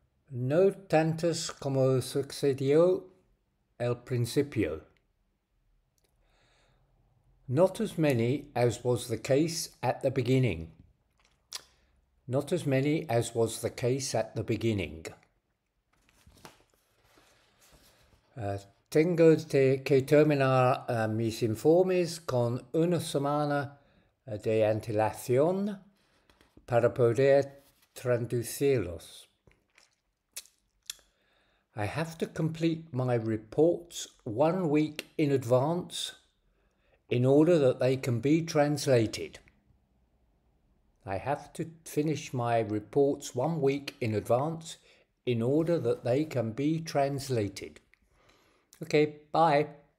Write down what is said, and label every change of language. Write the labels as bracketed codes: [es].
[es] No tantas como sucedió. El principio. [en] Not as many as was the case at the beginning. Not as many as was the case at the beginning. [es] Tengo que terminar mis informes con una semana de antelación para poder traducirlos. [en] I have to complete my reports 1 week in advance in order that they can be translated. I have to finish my reports 1 week in advance in order that they can be translated. Okay, bye.